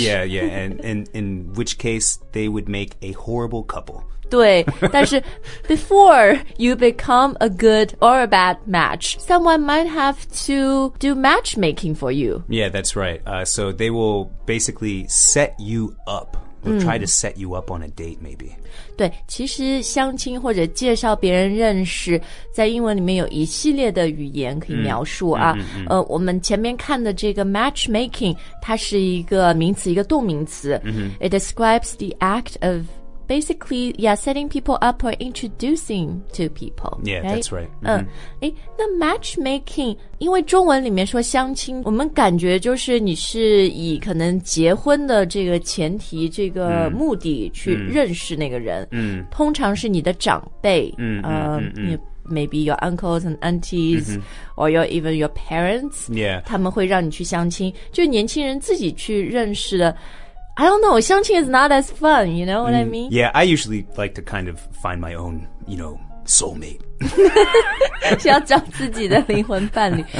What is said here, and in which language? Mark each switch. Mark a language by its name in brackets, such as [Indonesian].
[English] Yeah, yeah, and in which case they would make a horrible couple. [Chinese] 对但是 [English] before you become a good or a bad match, someone might have to do matchmaking for you. Yeah, that's right. So they will basically set you up. Try to set you up on a date, maybe. [Chinese] 对，其实相亲或者介绍别人认识，在英文里面有一系列的语言可以描述啊。我们前面看的这个 matchmaking, 它是一个名词，一个动名词。 [English] It describes the act of basically, yeah, setting people up or introducing to people. Yeah, right? that's right. [Chinese] 那 matchmaking, 因为中文里面说相亲，我们感觉就是你是以可能结婚的这个前提，这个目的去认识那个人。通常是你的长辈。 [English] Maybe your uncles and aunties,or your, even your parents. Yeah. [Chinese] 他们会让你去相亲，就年轻人自己去认识的。 [English] I don't know, 相亲 is not as fun, you know what I mean? Yeah, I usually like to kind of find my own, you know, soulmate. [Chinese] 是要找自己的灵魂伴侣。